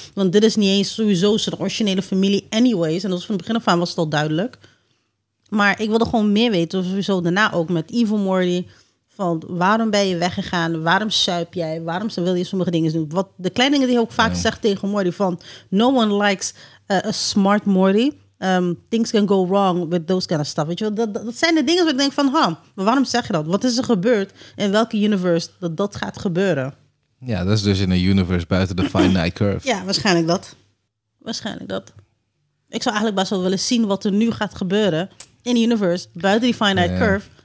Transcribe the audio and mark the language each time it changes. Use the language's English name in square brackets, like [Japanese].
[Dutch] Want dit is niet eens sowieso zijn originele familie anyways. En dat was van het begin af aan was het al duidelijk. Maar ik wilde gewoon meer weten, sowieso daarna ook met Evil Morty. Van waarom ben je weggegaan? Waarom suip jij? Waarom wil je sommige dingen doen? Wat de kleine dingen die hij ook vaak zegt tegen Morty. [English] Van no one likes a smart Morty. Things can go wrong with those kind of stuff. [Dutch] Weet je wel? Dat zijn de dingen waar ik denk van, huh, maar waarom zeg je dat? Wat is er gebeurd? In welke universe dat gaat gebeuren? Ja, dat is dus in een universe buiten de finite curve. Ja, waarschijnlijk dat. Waarschijnlijk dat. Ik zou eigenlijk best wel willen zien wat er nu gaat gebeuren in de universe buiten die finite curve.